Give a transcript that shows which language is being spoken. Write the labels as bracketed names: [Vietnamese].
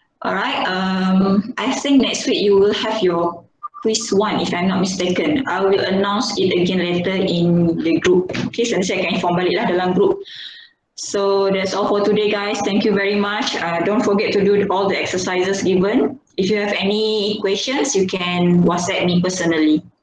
[English] Alright, I think next week you will have your quiz 1 if I'm not mistaken. I will announce it again later in the group. Okay, so [Malay] saya akan inform balik lah dalam group. [English] So that's all for today guys. Thank you very much. Don't forget to do all the exercises given. If you have any questions, you can WhatsApp me personally.